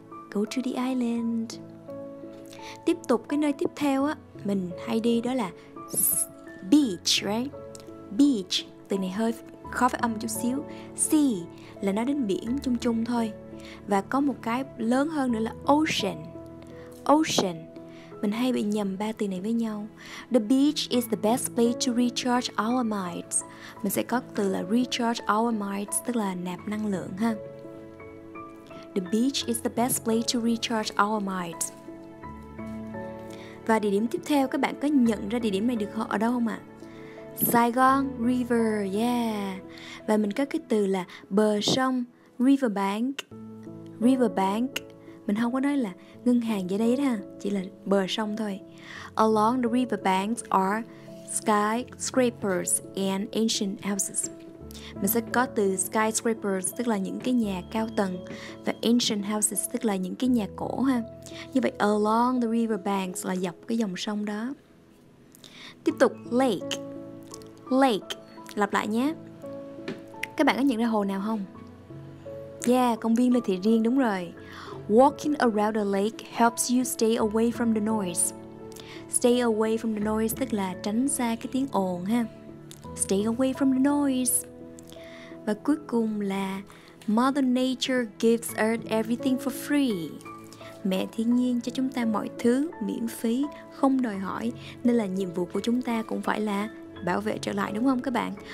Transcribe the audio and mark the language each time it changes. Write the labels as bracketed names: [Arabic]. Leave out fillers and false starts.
[English] Go to the island. [Vietnamese] Tiếp tục, cái nơi tiếp theo á mình hay đi, đó là beach, right? Beach, từ này hơi khó phát âm chút xíu. Sea là nói đến biển chung chung thôi. Và có một cái lớn hơn nữa là ocean. Ocean, mình hay bị nhầm ba từ này với nhau. [English] The beach is the best place to recharge our minds. [Vietnamese] Mình sẽ có từ là recharge our minds, tức là nạp năng lượng ha. [English] The beach is the best place to recharge our minds. [Vietnamese] Và địa điểm tiếp theo, các bạn có nhận ra địa điểm này được ở đâu không ạ? Saigon River, yeah. Và mình có cái từ là bờ sông, riverbank. Riverbank, mình không có nói là ngân hàng dưới đấy ha, chỉ là bờ sông thôi. [English] Along the riverbanks are skyscrapers and ancient houses. [Vietnamese] Mình sẽ có từ skyscrapers, tức là những cái nhà cao tầng, và ancient houses, tức là những cái nhà cổ ha. Như vậy, [English] along the riverbanks [Vietnamese] là dọc cái dòng sông đó. Tiếp tục, lake. Lake, lặp lại nhé. Các bạn có nhận ra hồ nào không? Yeah, công viên Lê Thị Riêng, đúng rồi. [English] Walking around the lake helps you stay away from the noise. Stay away from the noise, [Vietnamese] tức là tránh xa cái tiếng ồn ha. [English] Stay away from the noise. [Vietnamese] Và cuối cùng là [English] Mother Nature gives Earth everything for free. [Vietnamese] Mẹ thiên nhiên cho chúng ta mọi thứ miễn phí, không đòi hỏi, nên là nhiệm vụ của chúng ta cũng phải là bảo vệ trở lại, đúng không các bạn?